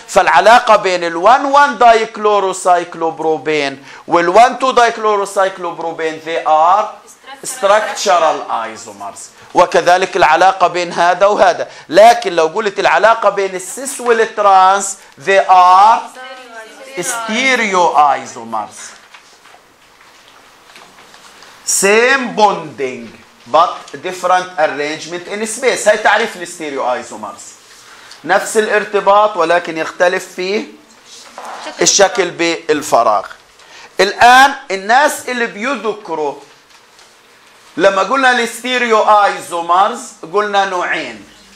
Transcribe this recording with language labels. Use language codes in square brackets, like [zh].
[ar] فالعلاقه بين ال 1-1 دايكلوروسايكلوبروبين وال 1-2 دايكلوروسايكلوبروبين [en] they are structural isomers. [ar] وكذلك العلاقة بين هذا وهذا. لكن لو قلت العلاقة بين السيس والترانس [en] they are stereo isomers. same bonding but different arrangement in space. [ar] هاي تعريف الستيريو isomers، نفس الارتباط ولكن يختلف فيه الشكل بالفراغ. الآن الناس اللي بيذكروا لما قلنا الستيريو ايزومرز قلنا نوعين.